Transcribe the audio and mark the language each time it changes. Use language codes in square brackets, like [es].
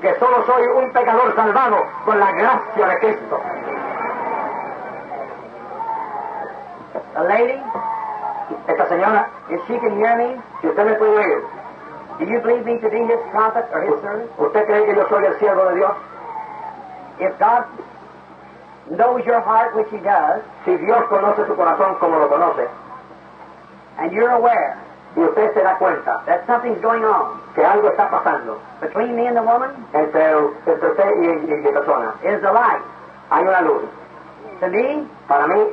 [es] Que solo soy un pecador salvado con la gracia de Cristo. [en] A lady, [es] esta señora, [en] if she can hear me, [es] si usted me puede oír, [en] do you believe me to be his prophet or his servant? [es] ¿Usted cree que yo soy el siervo de Dios? [en] If God knows your heart, which he does, [es] si Dios conoce tu corazón como lo conoce, [en] and you're aware, [es] y usted se da cuenta, [en] that something's going on, [es] que algo está pasando, [en] between me and the woman, [es] entre usted y persona, [en] is the light, [es] hay una luz, [en] to me, [es] para mí,